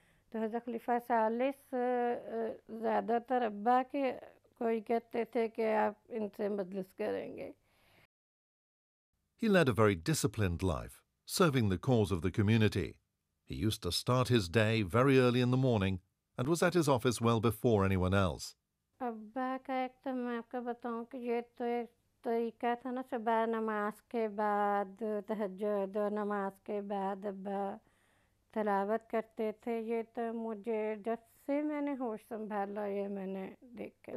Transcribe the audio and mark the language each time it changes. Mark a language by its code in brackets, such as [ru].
[ur] تو حضرت خلیفہ ثالث زیادہ تر ابا کے کوئی کہتے تھے کہ آپ ان سے مجلس کریں گے. [en] He led a very disciplined life, serving the cause of the community. He used to start his day very early in the morning and was at his office well before anyone else. [ur] ابا کا ایک تو میں آپ کو بتاؤں کہ یہ تو ایک طریقہ تھا نا, صبح نماز کے بعد تہجد اور نماز کے بعد ابا تلاوت کرتے تھے. یہ تو مجھے جب سے میں نے ہوش سنبھالا یہ میں نے دیکھا.